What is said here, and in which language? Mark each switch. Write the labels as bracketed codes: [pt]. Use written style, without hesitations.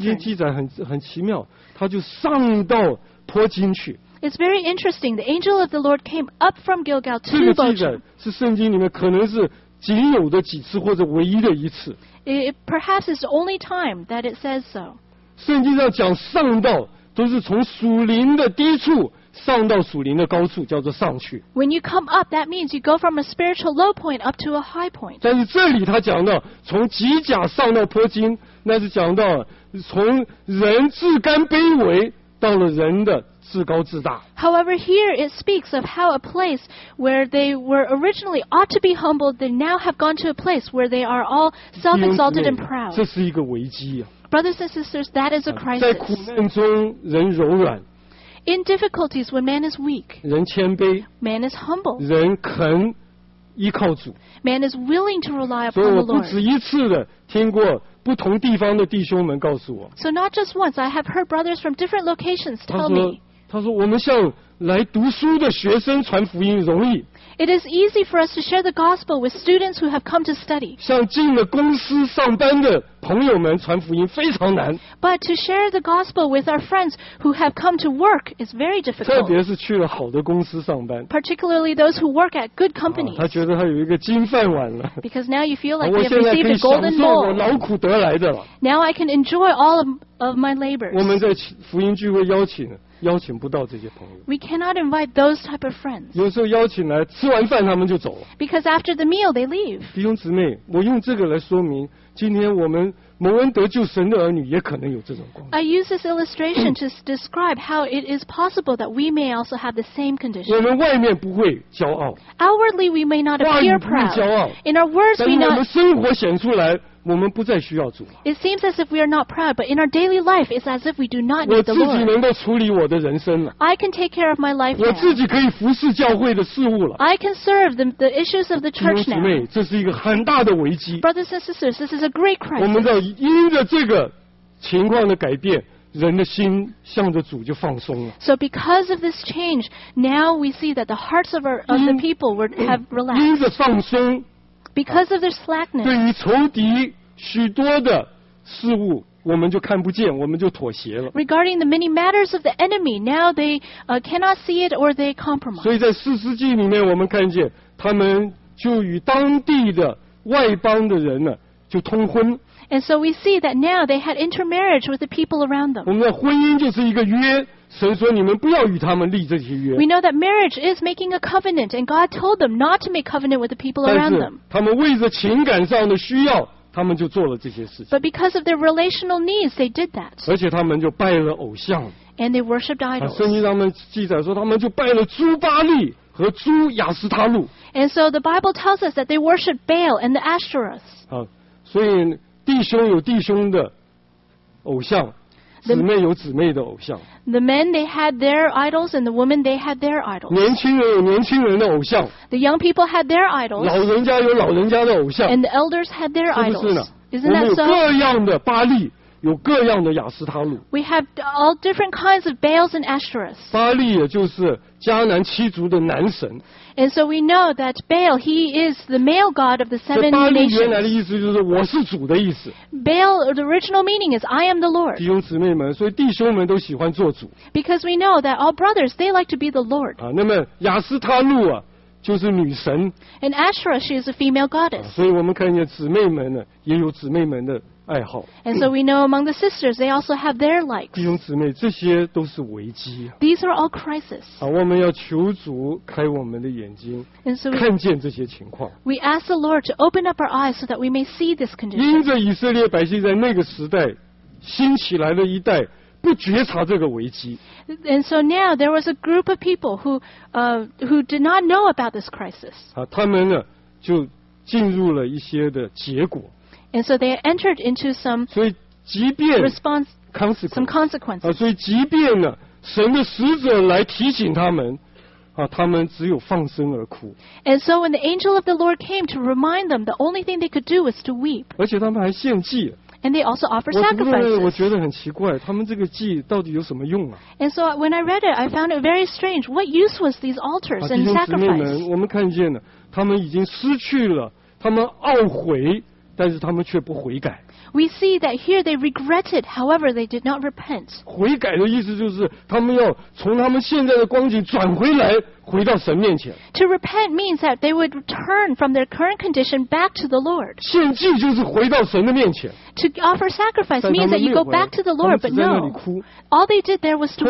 [zh] 圣经记载很奇妙，他就上到坡金去。 [en] It's very interesting. The angel of the Lord came up from Gilgal to Bochim. [zh] 这个记载是圣经里面可能是仅有的几次或者唯一的一次。 [en] Perhaps it's the only time that it says so. [zh] 圣经上讲上到都是从属灵的低处上到属灵的高处，叫做上去。 [en] When you come up, that means you go from a spiritual low point up to a high point. [zh] 但是这里他讲到从吉甲上到坡金，那是讲到从人自甘卑微到了人的自高自大。 [en] However, here it speaks of how a place where they were originally ought to be humbled, they now have gone to a place where they are all self-exalted and proud. [zh] 这是一个危机啊。 [en] Brothers and sisters, that is a crisis. [zh] 在苦难中人柔软。 [en] In difficulties, when man is weak, [zh] 人谦卑。 [en] Man is humble. [zh] 人肯依靠主。 [en] Man is willing to rely upon the Lord. [zh] 所以我不止一次的听过不同地方的弟兄们告诉我。 [en] So not just once, I have heard brothers from different locations tell me. [zh] 他说我们向来读书的学生传福音容易。 [en] It is easy for us to share the gospel with students who have come to study. [zh] 向进了公司上班的朋友们传福音非常难。 [en] But to share the gospel with our friends who have come to work is very difficult. [zh] 特别是去了好的公司上班。 [en] Particularly those who work at good companies. [zh] 他觉得他有一个金饭碗了。 [en] Because now you feel like you have received a golden bowl. [zh] 我现在可以享受我劳苦得来的了。 [en] Now I can enjoy all of my labors. [zh] 我们在福音聚会邀请不到这些朋友。 [en] We cannot invite those type of friends. [zh] 有时候邀请来，吃完饭他们就走了。 [en] Because after the meal they leave. [zh] 弟兄姊妹，我用这个来说明，今天我们蒙恩得救神的儿女也可能有这种光景。 [en] I use this illustration to describe how it is possible that we may also have the same condition. [zh] 我们外面不会骄傲。 [en] Outwardly we may not appear proud. [zh] 外面不会骄傲。 [en] In our words we not. [zh] 但是我们生活显出来。我们不再需要主了。 [en] It seems as if we are not proud, but in our daily life, it's as if we do not need the Lord. [zh] 我自己能够处理我的人生了。 [en] I can take care of my life. [zh] 我自己可以服侍教会的事务了。 [en] I can serve the issues of the church now. [zh] 弟兄姊妹，这是一个很大的危机。 [en] Brothers and sisters, this is a great crisis. [zh] 我们要因着这个情况的改变，人的心向着主就放松了。 [en] So because of this change, now we see that the hearts of the people would have relaxed. [zh] 因着放松。 [en] Because of their slackness, [zh] 对于仇敌许多的事物，我们就看不见，我们就妥协了。 [en] Regarding the many matters of the enemy, now they cannot see it or they compromise. [zh] 所以在四世纪里面，我们看见他们就与当地的外邦的人呢就通婚。 [en] And so we see that now they had intermarriage with the people around them. [zh] 我们的婚姻就是一个约。神说你们不要与他们立这些约。 [en] We know that marriage is making a covenant, and God told them not to make covenant with the people around them. [zh] 但是他们为着情感上的需要，他们就做了这些事情。 [en] But because of their relational needs, they did that. [zh] 而且他们就拜了偶像。 [en] And they worshipped idols. [zh] 圣经上面记载说，他们就拜了朱巴利和朱亚斯他路。 [en] And so the Bible tells us that they worshipped Baal and the Ashtoreth. [zh] 所以弟兄有弟兄的偶像。姊妹有姊妹的偶像。 [en] The men they had their idols and the women they had their idols. [zh] 年轻人有年轻人的偶像。 [en] The young people had their idols. [zh] 老人家有老人家的偶像。 [en] And the elders had their idols. [zh] 是不是呢？ [en] Isn't that so? [zh] 我们有各样的巴利，有各样的亚斯他路。 [en] We have all different kinds of Baals and Ashtoreth. [zh] 巴利也就是迦南七族的男神。 [en] And so we know that Baal, he is the male god of the seven nations. [zh] 巴利原来的意思就是我是主的意思。 [en] Baal, the original meaning is I am the Lord. [zh] 弟兄姊妹们，所以弟兄们都喜欢做主。 [en] Because we know that all brothers, they like to be the Lord. [zh] 那么亚斯他路啊，就是女神。 [en] And Ashtoreth, she is a female goddess. [zh] 所以我们看见姊妹们呢，也有姊妹们的爱好。 [en] And so we know among the sisters, they also have their likes. [zh] 弟兄姊妹，这些都是危机。 [en] These are all crises. [zh] 我们要求主开我们的眼睛，看见这些情况。 [en] We ask the Lord to open up our eyes so that we may see this condition. [zh] 因着以色列百姓在那个时代兴起来的一代不觉察这个危机。 [en] And so now there was a group of people who did not know about this crisis. [zh] 他们呢就进入了一些的结果。 [en] And so they entered into some response, some consequences. [zh] 所以即便呢，神的使者来提醒他们，他们只有放声而哭。 [en] And so when the angel of the Lord came to remind them, the only thing they could do was to weep. [zh] 而且他们还献祭。 [en] And they also offer sacrifices. [zh] 我觉得很奇怪，他们这个祭到底有什么用啊？ [en] And so when I read it, I found it very strange. What use was these altars and sacrifices? [zh] 弟兄姊妹们，我们看见了，他们已经失去了，他们懊悔。但是他们却不悔改。 [en] We see that here they regretted, however they did not repent. [zh] 悔改的意思就是他们要从他们现在的光景转回来，回到神面前。 [en] To repent means that they would turn from their current condition back to the Lord. [zh] 献祭就是回到神的面前。 [en] To offer sacrifice means that you go back to the Lord, but no. All they did there was to weep.